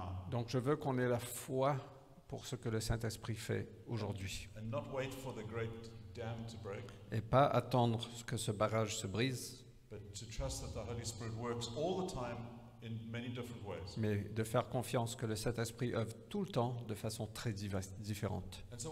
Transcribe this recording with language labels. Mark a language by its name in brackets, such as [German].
[French] Donc je veux qu'on ait la foi pour ce que le Saint-Esprit fait aujourd'hui. [English] And not wait for the great dam to break. [French] Et pas attendre que ce barrage se brise. [English] But to trust that the Holy Spirit works all the time in many different ways. [French] Mais de faire confiance que le Saint-Esprit œuvre tout le temps de façon très différente.